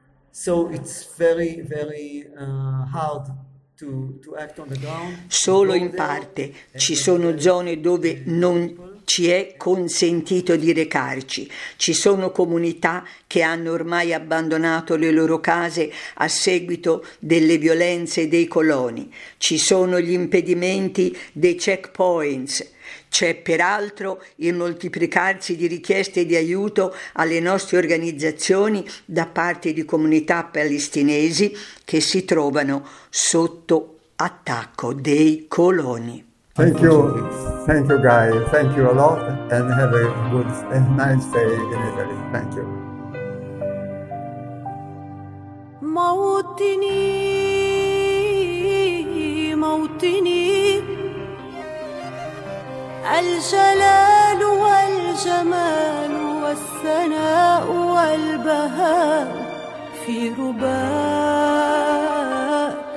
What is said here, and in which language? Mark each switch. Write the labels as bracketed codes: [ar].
[en] So it's very, very hard to act on the ground. [it] Solo in parte ci sono zone dove non ci è consentito di recarci. Ci sono comunità che hanno ormai abbandonato le loro case a seguito delle violenze dei coloni. Ci sono gli impedimenti dei checkpoints. C'è peraltro il moltiplicarsi di richieste di aiuto alle nostre organizzazioni da parte di comunità palestinesi che si trovano sotto attacco dei coloni. [en] Thank you Guy, thank you a lot and have a good and nice day in Italy. Thank you. [ar] موطني موطني الجلال والجمال والثناء والبهاء في رباك